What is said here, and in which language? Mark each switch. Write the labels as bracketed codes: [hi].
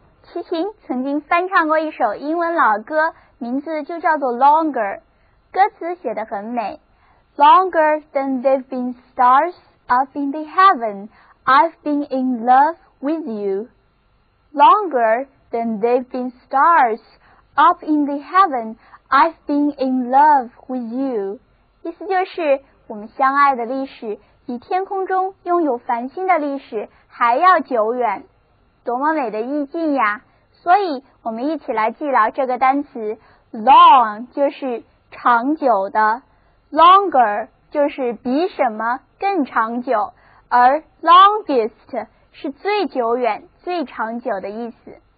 [zh] 齐秦曾经翻唱过一首英文老歌，名字就叫做 Longer， 歌词写得很美。 [en] Longer than there've been stars up in the heaven, I've been in love with you. Longer than there've been stars up in the heaven, I've been in love with you. [zh] 意思就是我们相爱的历史比天空中拥有繁星的历史还要久远。多么美的意境呀。所以我们一起来记牢这个单词， long 就是长久的， longer 就是比什么更长久，而 longest 是最久远最长久的意思。